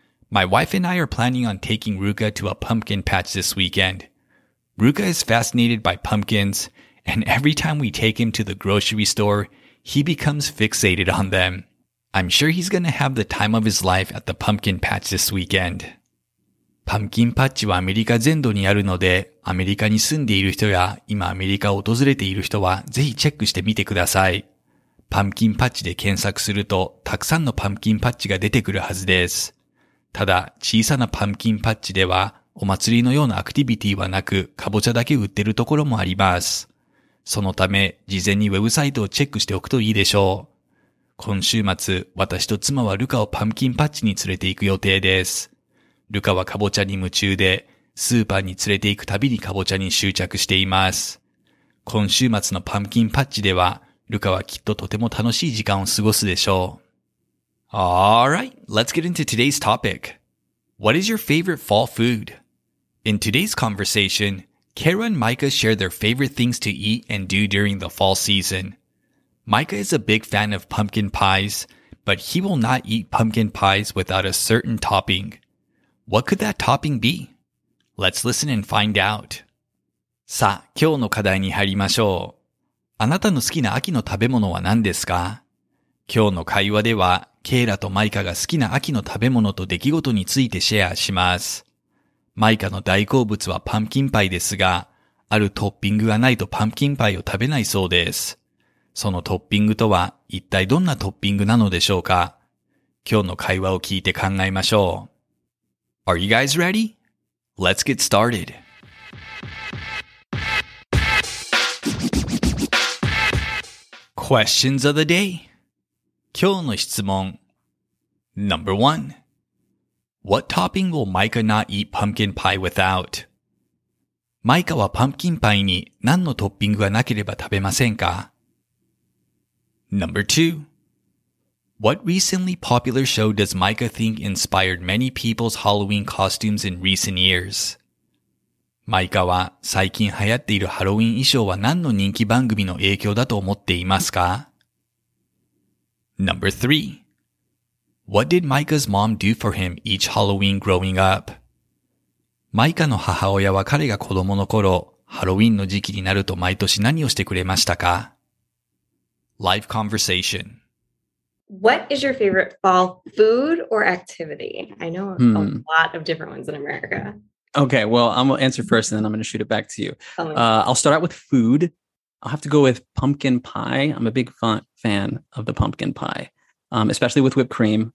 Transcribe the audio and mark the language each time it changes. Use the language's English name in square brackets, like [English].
[English] My wife and I are planning on taking Ruka to a pumpkin patch this weekend. Ruka is fascinated by pumpkins, and every time we take him to the grocery store, he becomes fixated on them. I'm sure he's going to have the time of his life at the pumpkin patch this weekend. [Japanese] パンキンパッチはアメリカ全土にあるので、アメリカに住んでいる人や今アメリカを訪れている人はぜひチェックしてみてください。パンキンパッチで検索するとたくさんのパンキンパッチが出てくるはずです。ただ、小さなパンキンパッチではお祭りのようなアクティビティはなく、かぼちゃだけ売ってるところもあります。そのため、事前にウェブサイトをチェックしておくといいでしょう。今週末、私と妻はルカをパンキンパッチに連れて行く予定です。ルカはカボチャに夢中で、スーパーに連れて行くたびにカボチャに執着しています。今週末のパンキンパッチでは、ルカはきっととても楽しい時間を過ごすでしょう。 [English] Alright, let's get into today's topic. What is your favorite fall food? In today's conversation, Kara and Micah share their favorite things to eat and do during the fall season. Micah is a big fan of pumpkin pies, but he will not eat pumpkin pies without a certain topping. What could that topping be? Let's listen and find out. [Japanese] さあ、今日の課題に入りましょう。あなたの好きな秋の食べ物は何ですか？今日の会話では、ケイラとマイカが好きな秋の食べ物と出来事についてシェアします。マイカの大好物はパンキンパイですが、あるトッピングがないとパンキンパイを食べないそうです。そのトッピングとは一体どんなトッピングなのでしょうか？今日の会話を聞いて考えましょう。 [English] Are you guys ready? Let's get started. Questions of the day. [Japanese] 今日の質問。 [English] Number one. What topping will Micah not eat pumpkin pie without? [Japanese] マイカはパンキンパイに何のトッピングがなければ食べませんか？ [English] Number two. What recently popular show does Micah think inspired many people's Halloween costumes in recent years? [Japanese] マイカは最近流行っているハロウィン衣装は何の人気番組の影響だと思っていますか？ [English] Number three. What did Micah's mom do for him each Halloween growing up? [Japanese] マイカの母親は彼が子供の頃、ハロウィンの時期になると毎年何をしてくれましたか？ [English] Life conversation. What is your favorite fall food or activity? I know a lot of different ones in America. Okay, well, I'm going to answer first and then I'm going to shoot it back to you. I'll start out with food. I'll have to go with pumpkin pie. I'm a big fan of the pumpkin pie, especially with whipped cream.